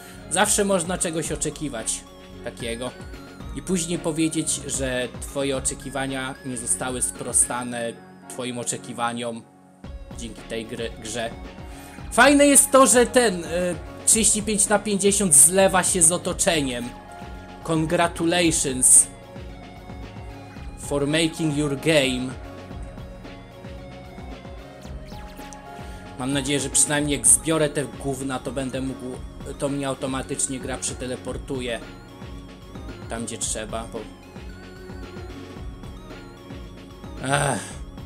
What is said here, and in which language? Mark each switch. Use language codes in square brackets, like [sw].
[pl] Zawsze można czegoś oczekiwać takiego. I później powiedzieć, że twoje oczekiwania nie zostały sprostane twoim oczekiwaniom dzięki tej grze. Fajne jest to, że ten 35 na 50 zlewa się z otoczeniem. [en] Congratulations for making your game. [pl] Mam nadzieję, że przynajmniej jak zbiorę te gówna, to będę mógł... To mnie automatycznie gra przeteleportuje tam, gdzie trzeba, bo... Ech.